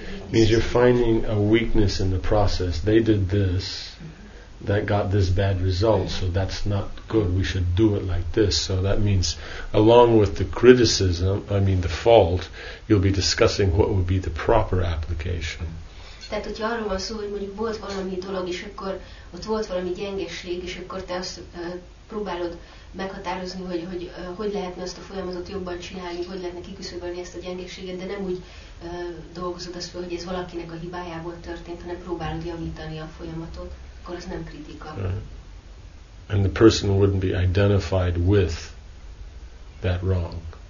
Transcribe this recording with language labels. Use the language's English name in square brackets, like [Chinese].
[English] means you're finding a weakness in the process. They did this, that got this bad result, so that's not good. We should do it like this. So that means, along with the criticism, I mean the fault, you'll be discussing what would be the proper application. [Hungarian] Tehát, hogyha arról van szó, hogy mondjuk volt valami dolog, és akkor ott volt valami gyengeség, és akkor te azt próbálod meghatározni, hogy lehetne azt a folyamatot jobban csinálni, hogy lehetne kiküszöbölni ezt a gyengeséget, de nem úgy dolgozod azt fel, hogy ez valakinek a hibájából történt, hanem próbálod javítani a folyamatot. Right. [English] And the person wouldn't be identified with that wrong.